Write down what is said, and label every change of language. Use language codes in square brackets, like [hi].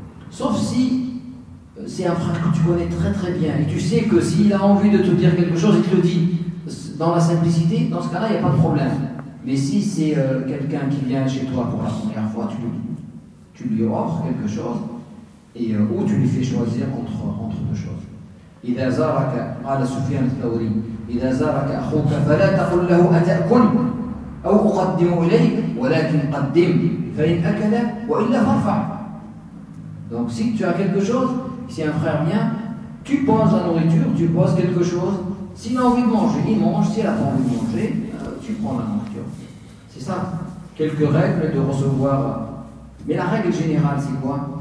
[fr] Sauf si c'est un frère que tu connais très très bien et tu sais que s'il a envie de te dire quelque chose, il te le dit dans la simplicité, dans ce cas-là, il n'y a pas de problème. Mais si c'est quelqu'un qui vient chez toi pour la première fois, tu lui offres quelque chose et ou tu lui fais choisir entre deux choses. [ar] إذا زارك قال سفيان الثوري إذا زارك أخوك فلا تقل له أتأكل أو أقدم إليك ولكن قدم فإن أكل وإلا فارفع. [fr] Donc si tu as quelque chose, si un frère vient, tu poses la nourriture, tu poses quelque chose. S'il a envie de manger, il mange. S'il a pas envie de manger, tu prends la nourriture. C'est ça. Quelques règles de recevoir. Mais la règle générale, c'est quoi?